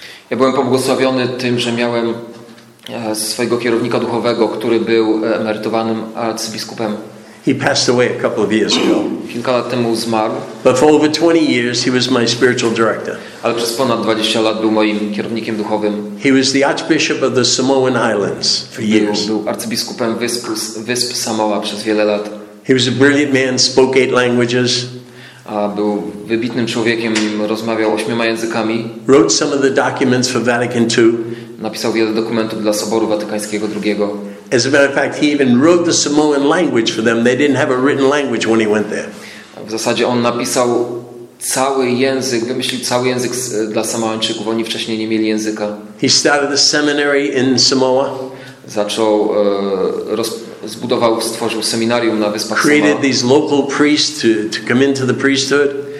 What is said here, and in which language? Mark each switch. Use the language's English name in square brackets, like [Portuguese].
[Polish] Ja byłem pobłogosławiony tym, że miałem swojego kierownika duchowego, który był emerytowanym arcybiskupem. [English] He passed away a couple of years ago. [Polish] Kilka lat temu zmarł. [English] But for over 20 years he was my spiritual director. [Polish] Ale przez ponad 20 lat był moim kierownikiem duchowym. [English] He was the archbishop of the Samoan Islands for years. [Polish] Był arcybiskupem wysp Samoa przez wiele lat. [English] He was a brilliant man, spoke 8 languages. [Polish] Był wybitnym człowiekiem, rozmawiał 8 językami. [English] Wrote some of the documents for Vatican II. [Polish] Napisał wiele dokumentów dla Soboru Watykańskiego II. [English] As a matter of fact, he even wrote the Samoan language for them. They didn't have a written language when he went there. [Polish] W zasadzie on napisał cały język, wymyślił cały język dla Samoańczyków. Oni wcześniej nie mieli języka. [English] He started a seminary in Samoa. [Polish] Zaczął zbudował, stworzył seminarium na wyspach Samoa. [English] Created these local priests to come into the priesthood.